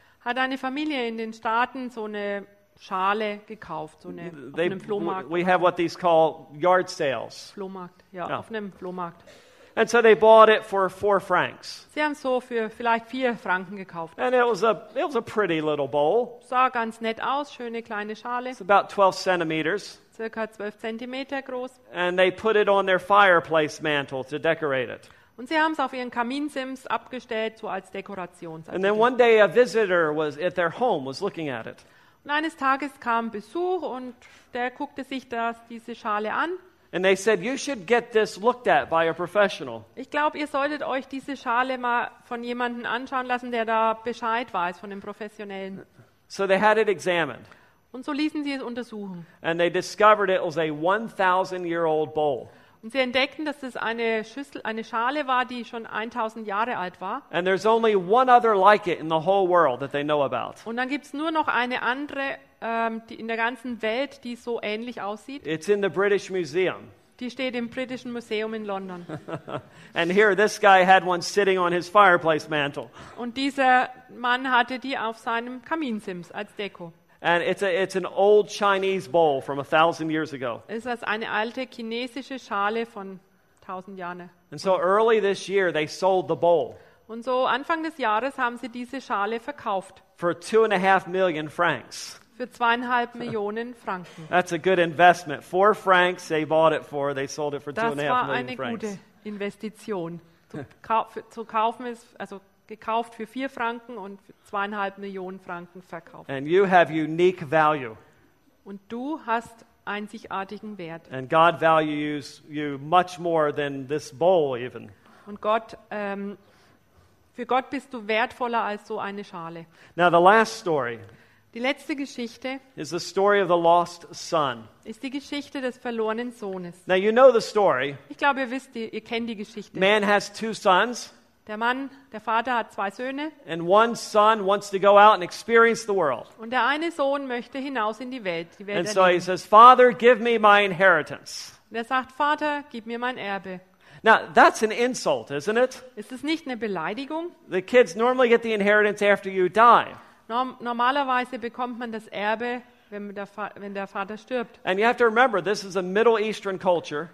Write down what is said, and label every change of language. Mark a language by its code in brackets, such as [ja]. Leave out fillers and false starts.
[de] Hat eine Familie in den Staaten so eine Schale gekauft, so eine auf einem Flohmarkt. [en] We have what these call yard sales. [de] Flohmarkt, ja. Auf einem Flohmarkt. [en] And so they bought it for 4 francs. [de] Sie haben so für vielleicht 4 Franken gekauft. [en] And it was a pretty little bowl. [de] Sah ganz nett aus, schöne kleine Schale. [en] It's about 12 centimeters. [de] Circa 12 Zentimeter groß. [en] And they put it on their fireplace mantle to decorate it. [de] Und sie haben es auf ihren Kaminsims abgestellt, so als Dekorationsartikel. [en] And then one day a visitor was at their home, was looking at it. [de] Und eines Tages kam Besuch und der guckte sich diese Schale an. [en] And they said, "You should get this looked at by a professional." [de] Ich glaube, ihr solltet euch diese Schale mal von jemanden anschauen lassen, der da Bescheid weiß, von dem Professionellen. [en] So they had it examined. [de] Und so ließen sie es untersuchen. [en] And they discovered it was a 1,000-year-old bowl. [de] Und sie entdeckten, dass es eine Schüssel, eine Schale war, die schon 1000 Jahre alt war. [en] And there's only one other like it in the whole world that they know about. [de] Und dann gibt's nur noch eine andere, die in der ganzen Welt, die so ähnlich aussieht. [en] It's in the British Museum. [de] Die steht im britischen Museum in London. [en] And here this guy had one sitting on his fireplace mantle. [de] Und dieser Mann hatte die auf seinem Kaminsims als Deko. [en] And it's an old Chinese bowl from 1,000 years ago. [de] Es ist eine alte chinesische Schale von 1,000 Jahren. [en] And so early this year they sold the bowl. [de] Und so Anfang des Jahres haben sie diese Schale verkauft. [en] For 2.5 million francs. [de] Für 2.5 Millionen Franken. [en] That's a good investment. 4 francs they bought it for. They sold it for 2.5 million francs. [de] Das war eine gute Investition. Zu kaufen ist also gekauft für 4 Franken und 2.5 Millionen Franken verkauft. [en] And you have unique value. [de] Und du hast einzigartigen Wert. [en] And God values you much more than this bowl even. [de] Und Gott, für Gott bist du wertvoller als so eine Schale. [en] Now the last story. [de] Die letzte Geschichte [en] is the story of the lost son. [de] Ist die Geschichte des verlorenen Sohnes. [en] Now you know the story. [de] Ich glaube, ihr wisst, ihr kennt die Geschichte. [en] Man has two sons. [de] Der Mann, der Vater hat zwei Söhne. [en] And one son wants to go out and experience the world. [de] Und der eine Sohn möchte hinaus in die Welt, die Welt [en] And so [de] erleben. [en] He says, "Father, give me my inheritance." [de] Und er sagt, Vater, gib mir mein Erbe. [en] Now that's an insult, isn't it? [de] Ist es nicht eine Beleidigung? [en] The kids normally get the inheritance after you die. [de] Normalerweise bekommt man das Erbe, wenn der Vater stirbt. [en] And you have to remember, this is a Middle Eastern culture.